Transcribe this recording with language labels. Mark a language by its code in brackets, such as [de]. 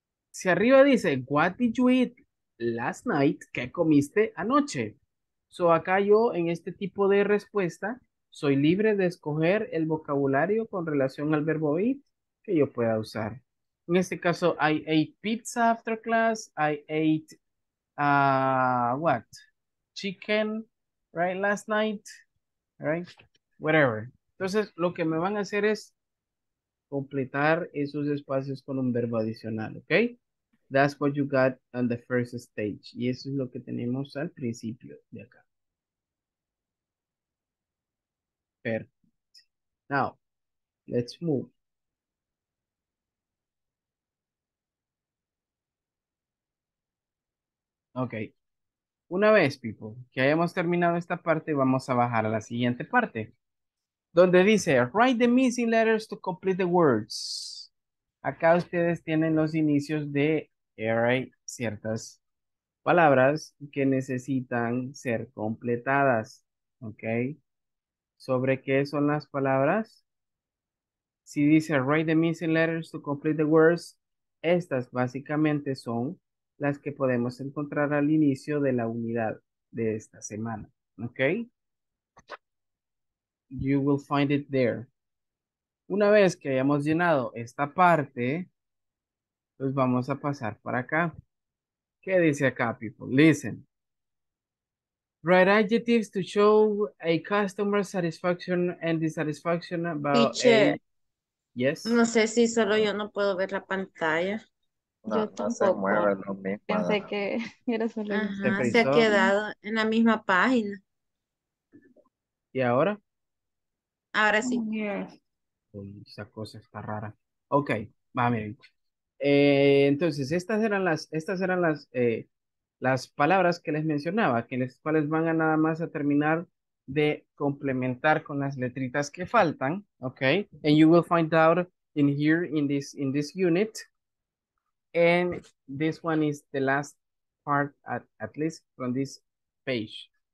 [es] Si arriba dice, [en] what did you eat last night? [es] ¿Qué comiste anoche? So acá yo en este tipo de respuesta soy libre de escoger el vocabulario con relación al verbo eat que yo pueda usar. En este caso, [en] I ate pizza after class. I ate, what? Chicken, right? Last night, right? Whatever. [es] Entonces, lo que me van a hacer es completar esos espacios con un verbo adicional, okay? [en] That's what you got on the first stage. [es] Y eso es lo que tenemos al principio de acá. [en] Perfect. Now, let's move. [es] Okay. Una vez, [en] people, [es] que hayamos terminado esta parte, vamos a bajar a la siguiente parte. Donde dice, [en] write the missing letters to complete the words. [es] Acá ustedes tienen los inicios de ciertas palabras que necesitan ser completadas. Okay. ¿Sobre qué son las palabras? Si dice [en] write the missing letters to complete the words, [es] estas básicamente son las que podemos encontrar al inicio de la unidad de esta semana. ¿Ok? [en] You will find it there. [es] Una vez que hayamos llenado esta parte, pues vamos a pasar para acá. ¿Qué dice acá, [en] people? Listen. Write adjectives to show a customer satisfaction and dissatisfaction about teacher. A... Yes. [es] No sé si solo yo no puedo ver la pantalla. No, yo tampoco. No se mueve lo mismo. Pensé que era solo ajá, se ha quedado en la misma página. ¿Y ahora? Ahora sí. Uy, esa cosa está rara. Ok, va, miren. Entonces, estas eran las palabras que les mencionaba, que las cuales van a nada más a terminar de complementar con las letritas que faltan, okay? [en] And you will find out in here in this unit. And this one is the last part at least from this page.